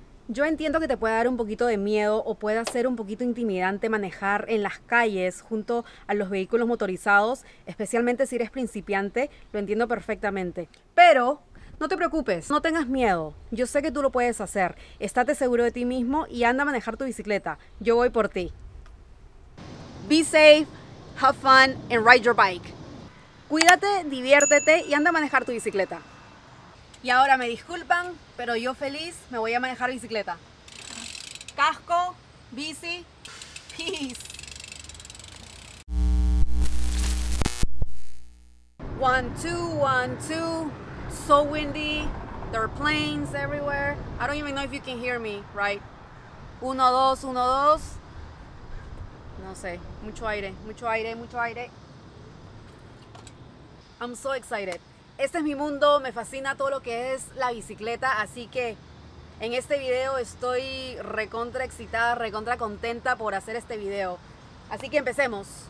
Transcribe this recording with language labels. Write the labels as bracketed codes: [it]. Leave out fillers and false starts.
[es] Yo entiendo que te pueda dar un poquito de miedo o pueda ser un poquito intimidante manejar en las calles junto a los vehículos motorizados, especialmente si eres principiante, lo entiendo perfectamente. Pero no te preocupes, no tengas miedo. Yo sé que tú lo puedes hacer. Estate seguro de ti mismo y anda a manejar tu bicicleta. Yo voy por ti. [en] Be safe, have fun, and ride your bike. [es] Cuídate, diviértete y anda a manejar tu bicicleta. Y ahora me disculpan, pero yo feliz me voy a manejar bicicleta. Casco, bici, peace. [en] 1, 2, 1, 2. So windy. There are planes everywhere. I don't even know if you can hear me, right? 1, 2, 1, 2. [es] No sé. Mucho aire, mucho aire, mucho aire. [en] I'm so excited. [es] Este es mi mundo, me fascina todo lo que es la bicicleta, así que en este video estoy recontra excitada, recontra contenta por hacer este video. Así que empecemos.